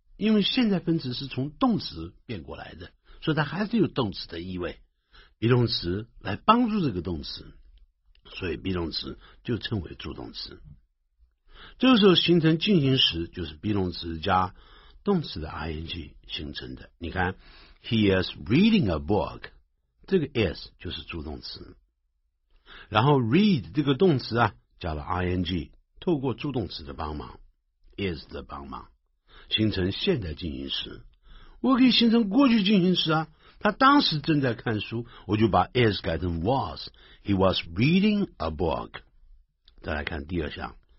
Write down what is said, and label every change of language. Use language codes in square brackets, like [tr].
[zh] 因为现在分词是从动词变过来的，所以它还是有动词的意味， be 动词来帮助这个动词，所以 be 动词就称为主动词。这个时候形成进行时，就是 be 动词加动词的 ing 形成的。你看 ， [en] He is reading a book， [zh] 这个 is 就是助动词。然后 read 这个动词啊，加了 ing， 透过助动词的帮忙 ，is 的帮忙，形成现在进行时。我可以形成过去进行时啊，他当时正在看书，我就把 is 改成 was， [en] He was reading a book。 [zh] 再来看第二项。